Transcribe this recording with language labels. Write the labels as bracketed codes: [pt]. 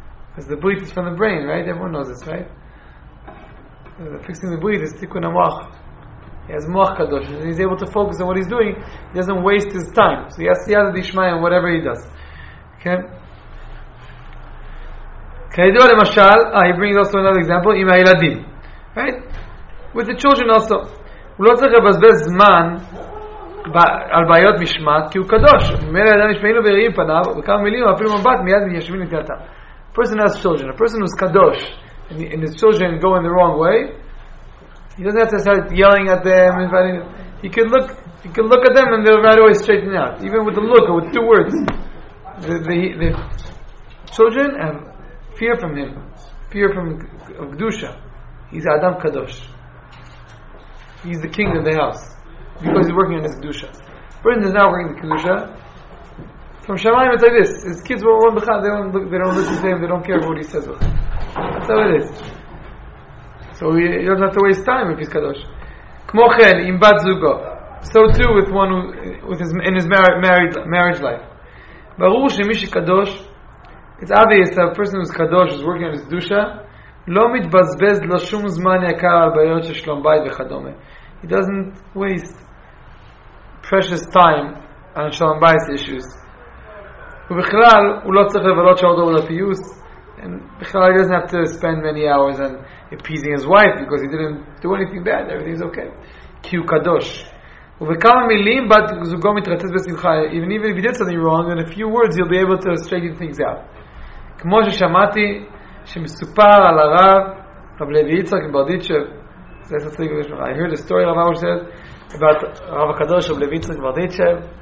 [en] Because the brit is from the brain, right? Everyone knows this, right? Fixing the brit is Tikkun HaMoach. He has Moach Kadosh. And he's able to focus on what he's doing. He doesn't waste his time. So he has Siyata Dishmaya on whatever he does. Okay? [he] Kayidua Lemashal. [en] He brings also another example. [he] Im HaYiladim. [en] Right? With the children also. [he] הוא לא צריך לבזבז זמן על בעיות משמעת, כי הוא קדוש. מילא ידע משמעינו ויראים פניו, וכמה מילים, אפילו מבט, מיד מיישבים לתנתם. [en] A person has children. A person who's קדוש, and his children go in the wrong way, he doesn't have to start yelling at them. He can look at them, and they'll right away straighten out. Even with a look, or with two words. The children have fear from him. Fear from Kedusha. He's Adam Kadosh. He's the king of the house because he's working on his kedusha. Britain is now working the kedusha. From Shemayim, it's like this: his kids won't run b'chad. They don't look. They don't listen to him. They don't care what he says. That's how it is. So he doesn't have to waste time if he's kadosh. [he] K'mochel im bat zugo. [en] So too with one who, with his in his marriage life. [he] Barur shemi shekadosh. [en] It's obvious that a person who's kadosh is working on his kedusha. [he] לא מתבזבז לשום זמן יקר על בעיות של שלום בית וכדומה. [en] He doesn't waste precious time on shalom bayit issues. [he] ובכלל, הוא לא צריך לבלות שעות עבודת פיוס. [en] And בכלל, he doesn't have to spend many hours on appeasing his wife because he didn't do anything bad. Everything's okay. [he] כי הוא קדוש. ובכמה מילים, בת זוגו מתרצת בשמחה. [en] Even if he did something wrong, in a few words, he'll be able to straighten things out. [he] כמו ששמעתי, שמסופר על הרב רב לוי יצחק ברדיצ'ב, זה עשר צדיק ושמחה. [en] I heard a story about [he] רב הקדוש רב לוי יצחק ברדיצ'ב,